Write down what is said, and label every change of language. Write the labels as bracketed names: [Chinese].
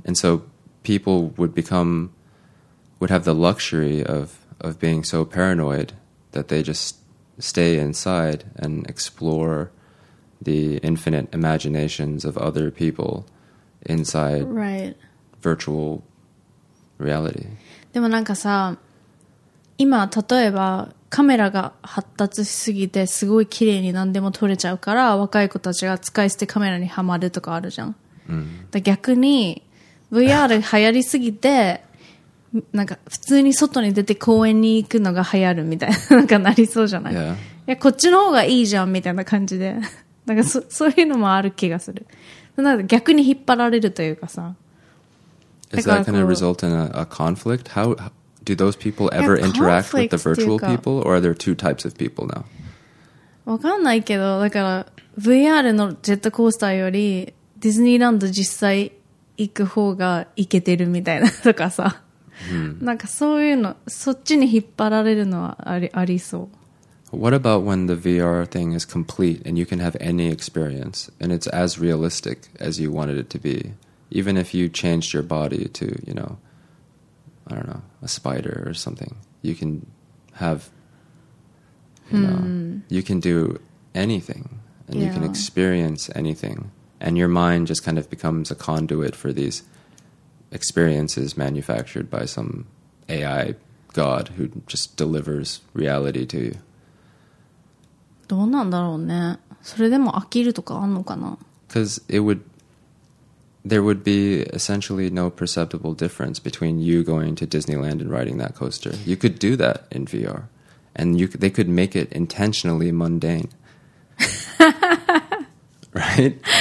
[English] And so people would have the luxury of being so paranoid that they juststay inside and explore the infinite imaginations of other people inside virtual reality. [Japanese] でもなんかさ、今例えばカメラが発達しすぎてすごい綺麗に何でも撮れちゃうから若い子たちが使い捨てカメラにはまるとかあるじゃん。だ逆に VR 流行りすぎてなんか普通に外に出て公園に行くのが流行るみたいな、なんかなりそうじゃない、 [English] yeah. [Japanese] いやこっちの方がいいじゃんみたいな感じで、なんか そういうのもある気がする。なんか逆に引っ張られるというかさ。 [English] Is that going to result in a conflict? How do those people ever interact with the virtual people? Or are there two types of people now? [Japanese] わかんないけど、だから VR のジェットコースターよりディズニーランド実際行く方がイケてるみたいなとかさ、なんかそういうの、そっちに引っ張られるのはありそう。 [English] What about when the VR thing is complete and you can have any experience and it's as realistic as you wanted it to be, even if you changed your body to, you know, I don't know, a spider or something, you can have, you know, you can do anything and you can experience anything and your mind just kind of becomes a conduit for theseexperiences manufactured by some AI god who just delivers reality to you. [Japanese] どうなんだろうね。それでも飽きるとかあんのかな? [English] Because there would be essentially no perceptible difference between you going to Disneyland and riding that coaster. You could do that in VR. and you, they could make it intentionally mundane. Right?